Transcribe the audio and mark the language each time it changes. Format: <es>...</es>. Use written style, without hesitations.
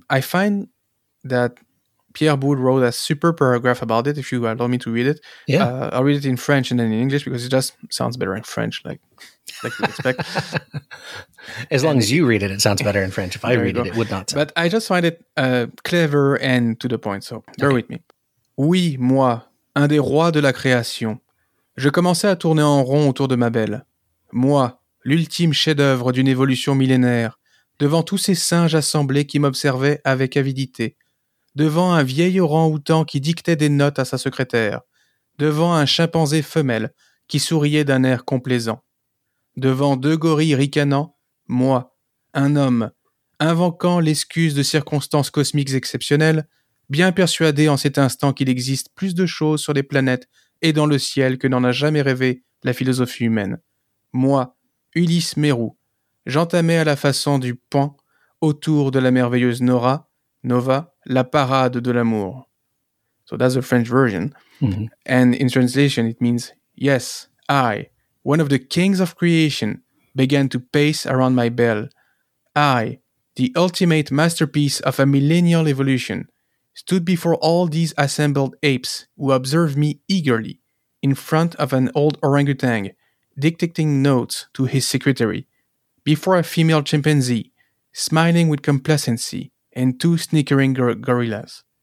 <en>I find that Pierre Boulle wrote a super paragraph about it, if you allow me to read it. Yeah. I'll read it in French and then in English because it just sounds better in French, like you expect. As long as you read it, it sounds better in French. If I read it, it would not sound. But I just find it clever and to the point, so bear with me.</en> <fr>Oui, moi, un des rois de la création, je commençais à tourner en rond autour de ma belle. Moi, l'ultime chef-d'œuvre d'une évolution millénaire, devant tous ces singes assemblés qui m'observaient avec avidité, devant un vieil orang-outan qui dictait des notes à sa secrétaire, devant un chimpanzé femelle qui souriait d'un air complaisant, devant deux gorilles ricanant, moi, un homme, invoquant l'excuse de circonstances cosmiques exceptionnelles, bien persuadé en cet instant qu'il existe plus de choses sur les planètes et dans le ciel que n'en a jamais rêvé la philosophie humaine. Moi, Ulysse Mérou, j'entamais à la façon du pan autour de la merveilleuse Nora, Nova, la parade de l'amour.</fr> <en>So that's the French version. Mm-hmm. And in translation, it means, yes, I, one of the kings of creation, began to pace around my bell. I, the ultimate masterpiece of a millennial evolution, stood before all these assembled apes who observed me eagerly in front of an old orangutan, dictating notes to his secretary, before a female chimpanzee, smiling with complacency, and two snickering gorillas.</en>